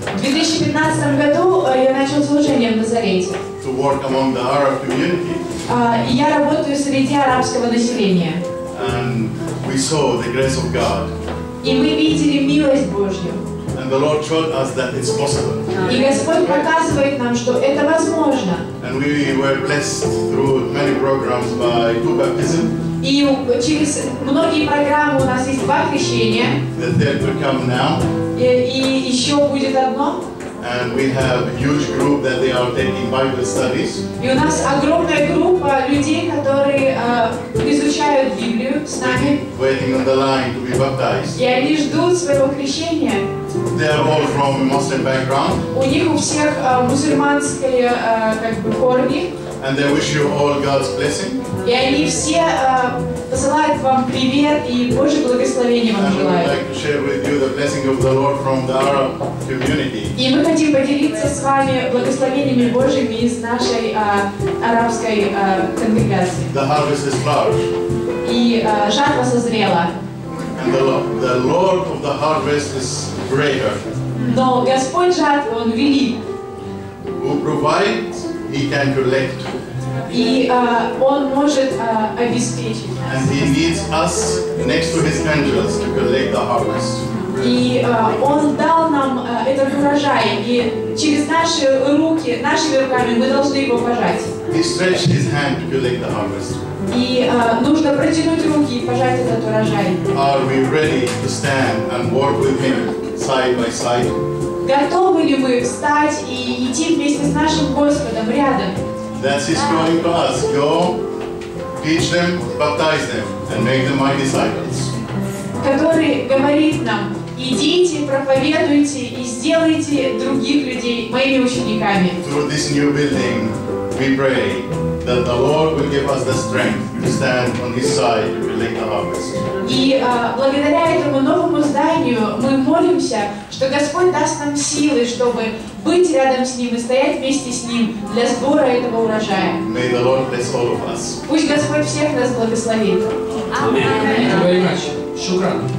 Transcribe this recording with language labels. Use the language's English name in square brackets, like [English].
[Russian] В 2015 году я начал служение в Назарете. [English] To work among the Arab community. [Russian] Я работаю среди арабского населения. [English] And we saw the grace of God. [Russian] И мы видели милость Божью. [English] And the Lord showed us that it's possible. [Russian] И Господь показывает нам, что это возможно. [English] And we were blessed through many programs by two baptism. [Russian] И через многие программы у нас есть два крещения. [English] The third will come now. [Russian] И еще будет одно. [English] And we have a huge group that they are taking Bible studies. [Russian] И у нас огромная группа людей, которые изучают Библию с нами. [English] Waiting on the line to be baptized. [Russian] И они ждут своего крещения. [English] They are all from a Muslim background. [Russian] У них у всех мусульманские как бы корни. [English] And they wish you all God's blessing. [Russian] И они все посылают вам привет и Божье благословение вам желают. [English] And we'd like to share with you the blessing of the Lord from the Arab community. [Russian] И мы хотим поделиться с вами благословениями Божьими из нашей арабской конгрегации. [English] The harvest is large. [Russian] И жатва созрела. [English] And the Lord of the harvest is greater. [Russian] Но Господь жатвы, Он велик. [English] Who provide? He can collect. [Russian] И он может обеспечить. [English] And he needs us next to his angels to collect the harvest. [Russian] И он дал нам этот урожай, и через наши руки, нашими руками мы должны его пожать. [English] He stretched his hand to collect the harvest. [Russian] И нужно протянуть руки и пожать этот урожай. [English] Are we ready to stand and work with him side by side? [Russian] Готовы ли мы встать и идти вместе с нашим Господом рядом? [English] That's his calling to us. Go, teach them, baptize them, and make them my disciples. [Russian] Который говорит нам, идите, проповедуйте и сделайте других людей моими учениками. [English] Through this new building, we pray that the Lord will give us the strength to stand on his side to collect the harvest. [Russian] И благодаря этому новому зданию мы молимся, что Господь даст нам силы, чтобы быть рядом с Ним и стоять вместе с Ним для сбора этого урожая. [English] May the Lord bless all of us. [Russian] Пусть Господь всех нас благословит. Аминь. Шукран.